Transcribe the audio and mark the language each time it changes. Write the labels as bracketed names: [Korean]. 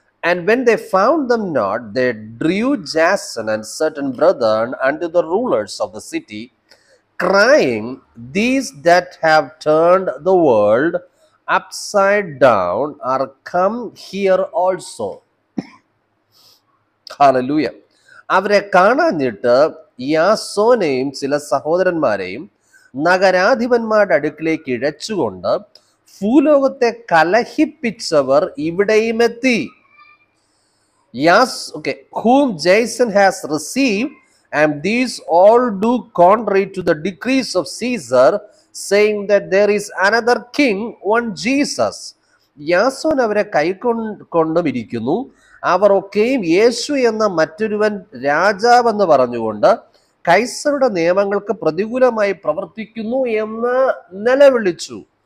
[English] And when they found them not, they drew Jason and certain brethren unto the rulers of the city, crying, these that have turned the world upside down are come here also. Hallelujah. [Malayalam] അവരെ കാണാഞ്ഞിട്ട് യാസോനെയും ചില സഹോദരന്മാരെയും നഗരാധിപന്മാരുടെ അടുക്കിലേക്ക് ഇഴച്ചുകൊണ്ട് ഭൂലോകത്തെ കലഹിപ്പിച്ചവർ ഇവിടെയും എത്തി. യാസ് okay [English] whom Jason has received, and these all do contrary to the decrees of Caesar, saying that there is another king, one Jesus. [Malayalam] യാസോൻ അവരെ കൈക്കൊണ്ടും ഇരിക്കുന്നു, അവർ ഒക്കെയും യേശു എന്ന മറ്റൊരുവൻ രാജാവെന്ന് പറഞ്ഞുകൊണ്ട് കൈസറുടെ നിയമങ്ങൾക്ക് പ്രതികൂലമായി പ്രവർത്തിക്കുന്നു എന്ന് നിലവിളിച്ചു.